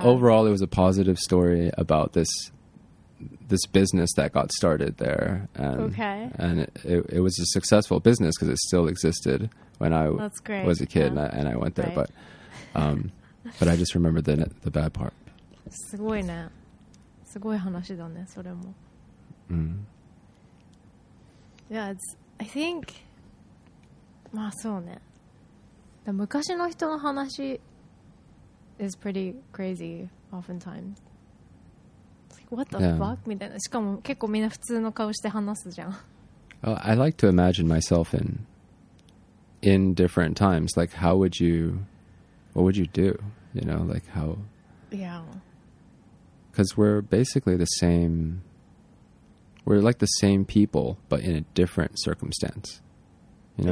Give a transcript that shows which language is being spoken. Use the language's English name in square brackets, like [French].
[English] overall it was a positive story about this business that got started there, and、 okay. and it was a successful business because it still existed when I was a kid、yeah. and I went there、right. but I just remember the bad part. [Japanese] すごいね、すごい話だね、それも。 Mm-hmm. [English] Yeah, it's, I think, [Japanese] まあそうね。でも昔の人の話 [English] is pretty crazy oftentimes. Like, what the、yeah. fuck? [Japanese] みたいな。しかも結構みんな普通の顔して話すじゃん。 [English] Well, I like to imagine myself in different times. Like, how would you, what would you do? You know, like how... Yeah. Because we're basically the same... We're like the same people, but in a different circumstance, you know?